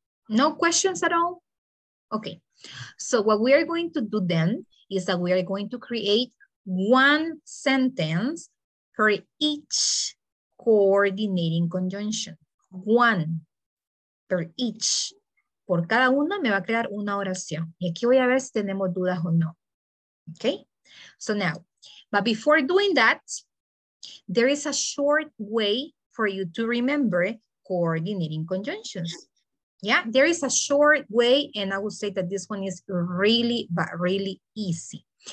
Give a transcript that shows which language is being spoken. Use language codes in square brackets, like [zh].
[en] No questions at all? Okay. So what we are going to do then is that we are going to create one sentence for each coordinating conjunction. One per each. [es] Por cada una me va a crear una oración. Y aquí voy a ver si tenemos dudas o no. [en] Okay? So now, but before doing that, there is a short way for you to remember coordinating conjunctions. Yeah, there is a short way, and I will say that this one is really, but really easy.